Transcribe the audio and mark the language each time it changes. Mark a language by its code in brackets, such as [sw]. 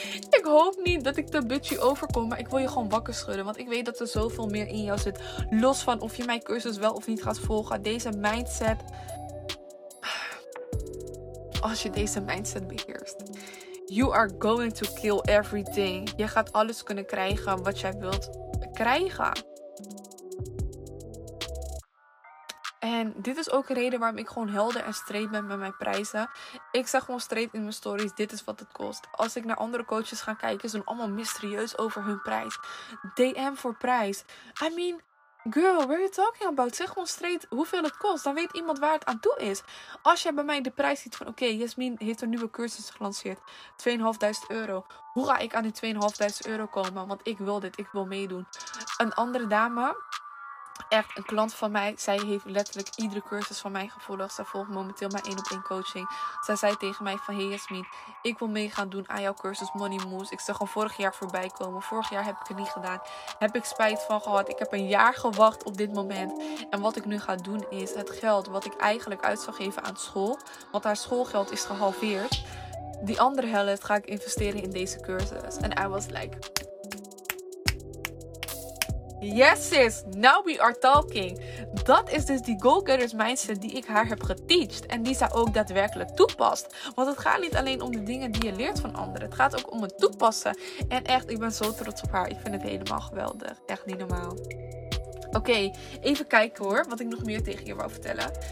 [nl] Ik hoop niet dat ik te bitchy overkom. Maar ik wil je gewoon wakker schudden. Want ik weet dat er zoveel meer in jou zit. Los van of je mijn cursus wel of niet gaat volgen. Deze mindset. Als je deze mindset beheerst. [en] You are going to kill everything. [nl] Je gaat alles kunnen krijgen wat jij wilt krijgen. En dit is ook een reden waarom ik gewoon helder en straight ben met mijn prijzen. Ik zeg gewoon straight in mijn stories, dit is wat het kost. Als ik naar andere coaches ga kijken, ze zijn allemaal mysterieus over hun prijs. DM voor prijs. [en] I mean, girl, what are you talking about? [nl] Zeg gewoon straight hoeveel het kost. Dan weet iemand waar het aan toe is. Als jij bij mij de prijs ziet van, oké, Jasmine heeft een nieuwe cursus gelanceerd. 2.500 euro. Hoe ga ik aan die 2.500 euro komen? Want ik wil dit, ik wil meedoen. Een andere dame... Echt, een klant van mij, zij heeft letterlijk iedere cursus van mij gevolgd. Zij volgt momenteel mijn 1-op-1 coaching. Zij zei tegen mij van, hey Jasmine, ik wil meegaan doen aan jouw cursus Money Moves. Ik zag hem vorig jaar voorbij komen. Vorig jaar heb ik het niet gedaan. Heb ik spijt van gehad. Ik heb een jaar gewacht op dit moment. En wat ik nu ga doen is het geld wat ik eigenlijk uit zou geven aan school. Want haar schoolgeld is gehalveerd. Die andere helft ga ik investeren in deze cursus. En [en] I was like... Yes sis, now we are talking. [nl] Dat is dus die go-getters mindset die ik haar heb geteached. En die zij ook daadwerkelijk toepast. Want het gaat niet alleen om de dingen die je leert van anderen. Het gaat ook om het toepassen. En echt, ik ben zo trots op haar. Ik vind het helemaal geweldig. Echt niet normaal. Oké, even kijken hoor. Wat ik nog meer tegen je wou vertellen.